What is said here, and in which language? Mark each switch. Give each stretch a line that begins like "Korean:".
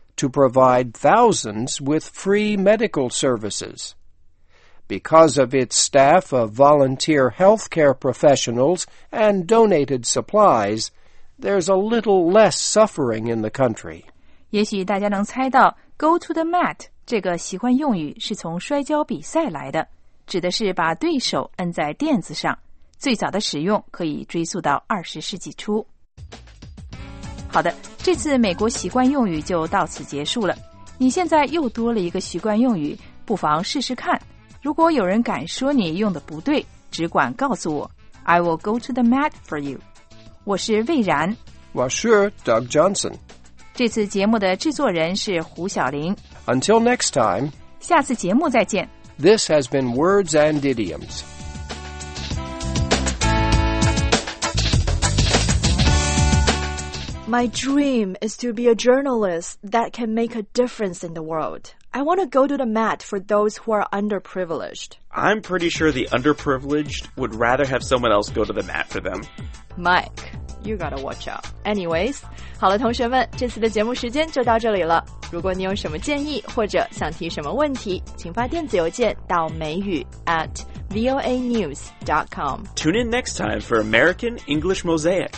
English: to provide thousands with free medical services. Because of its staff of volunteer healthcare professionals and donated supplies, there's a little less suffering in the country.
Chinese: 也许大家能猜到
English: go to the mat
Chinese: 这个习惯用语是从摔跤比赛来的，指的是把对手摁在垫子上。最早的使用可以追溯到20世纪初。好的，这次美国习惯用语就到此结束了。你现在又多了一个习惯用语，不妨试试看。如果有人敢说你用的不对，只管告诉我。
English: I will go to the mat for you.
Chinese: 我是魏然。我是 Doug Johnson. 这次节目的制作人是胡晓玲。
English: Until next time.
Chinese: 下次节目再见。
English: This has been Words and Idioms. My dream is to be a journalist that can make a difference in the world. I want to go to the mat for those who are underprivileged. I'm pretty sure the underprivileged would rather have someone else go to the mat for them. Mike, you gotta watch out.
Chinese: Anyways, 好了，同学们，这次的节目时间就到这里了。如果你有什么建议或者想提什么问题，请发电子邮件到美语@voanews.com.
English: Tune in next time for American English Mosaic.